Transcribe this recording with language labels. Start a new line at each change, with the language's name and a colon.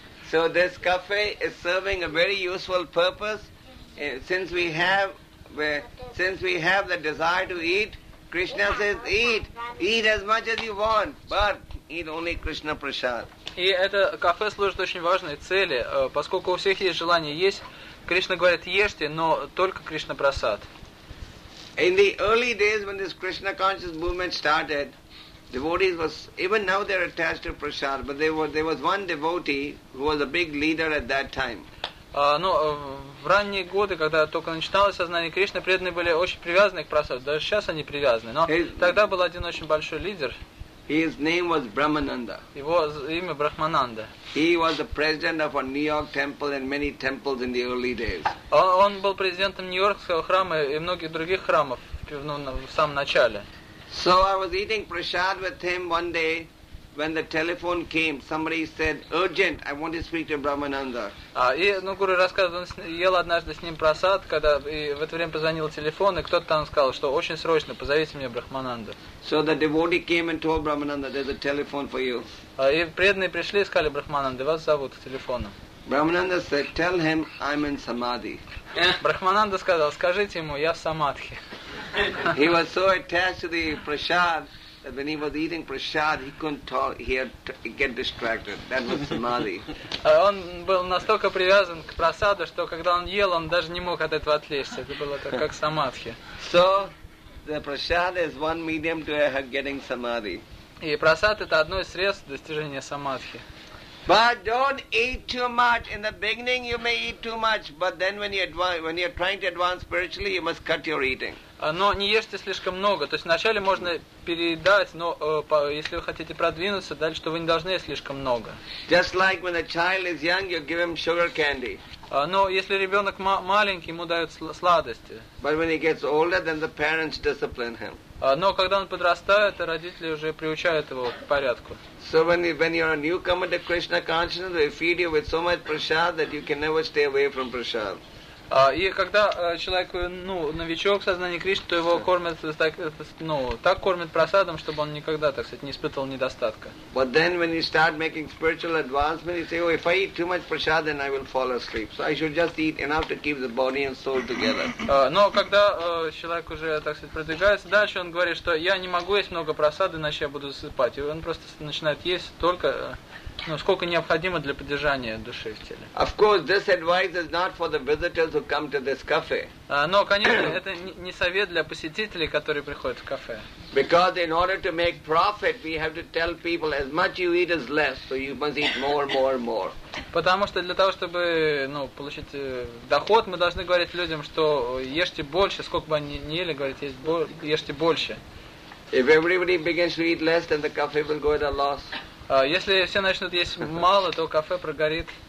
English: So this cafe is serving a very useful purpose. Since we have the desire to eat, Krishna says, eat as much as you want, but eat only Krishna prasad.
Russian: И это кафе служит очень важной цели, поскольку у всех есть желание есть. Кришна говорит, ешьте, но только Кришна прасад.
English: In the early days when this Krishna conscious movement started, devotees was, even now they're attached to prasad, but there was one devotee who was a big leader at that time.
Russian: В ранние годы, когда только начиналось сознание Кришны, преданные были очень привязаны к прасаду. Даже сейчас они привязаны. Но тогда был один очень большой лидер.
English: His name was Brahmananda.
Russian: Его имя Брахмананда.
English: He was the president of a New York temple and many temples in the early days.
Russian: Он был президентом Нью-Йоркского храма и многих других храмов в самом начале.
English: So I was eating prasad with him one day when the telephone came. Somebody said, urgent, I want to speak to Brahmananda.
Russian: Гуру рассказывал, он ел однажды с ним прасад, когда и в это время позвонил телефон, и кто-то там сказал, что очень срочно, позовите мне Брахмананда.
English: So the devotee came and told Brahmananda, there's a telephone for you.
Russian: И преданные пришли и сказали Брахмананде, вас зовут к телефону.
English: Brahmananda said, tell him I'm in samadhi.
Russian: Брахмананда сказал, скажите ему, я в самадхи.
English: He was so attached to the prasad that when he was eating prasad, he couldn't talk, he had to get distracted. That was samadhi.
Russian: Он был настолько привязан к прасаду, что когда он ел, он даже не мог от этого отвлечься. Это было так, как самадхи.
English: So, the prasad is one medium to getting samadhi.
Russian: И прасад — это одно из средств достижения самадхи.
English: But don't eat too much. In the beginning, you may eat too much, but then when you're trying to advance spiritually, you must cut your eating.
Russian: Но не ешьте слишком много. То есть вначале можно переедать, но если вы хотите продвинуться дальше, то вы не должны есть слишком много.
English: Just like when a child is young, you give him sugar candy.
Russian: Но если ребенок маленький, ему дают сладости.
English: But when he gets older, then the parents discipline him.
Russian: Но когда он подрастает, родители уже приучают его к порядку.
English: So when you're a newcomer to Krishna consciousness, they feed you with so much prasad that you can never stay away from prasad.
Russian: И когда человек, ну, новичок сознания Кришны, то его кормят так, ну, так кормят прасадом, чтобы он никогда, так сказать, не испытывал недостатка.
English: But then when you start making spiritual advancement, you say, oh, if I eat too much prasad, then I will fall asleep. So I should just eat enough to keep the body and soul together.
Russian: Но когда человек уже, так сказать, продвигается дальше, он говорит, что я не могу есть много прасада, иначе я буду засыпать. И он просто начинает есть только... Ну, сколько необходимо для поддержания души в теле.
English: Of course, this advice is not for the visitors who come to this cafe.
Russian: Но, конечно, это не совет для посетителей, которые приходят в кафе.
English: Because in order to make profit, we have to tell people as much you eat is less, so you must eat more, more, more.
Russian: Потому что для того, чтобы, ну, получить доход, мы должны говорить людям, что ешьте больше, сколько бы они ни ели, говорить, ешьте больше.
English: If everybody begins to eat less, then the cafe will go at a loss.
Russian: Если все начнут есть мало, то кафе прогорит.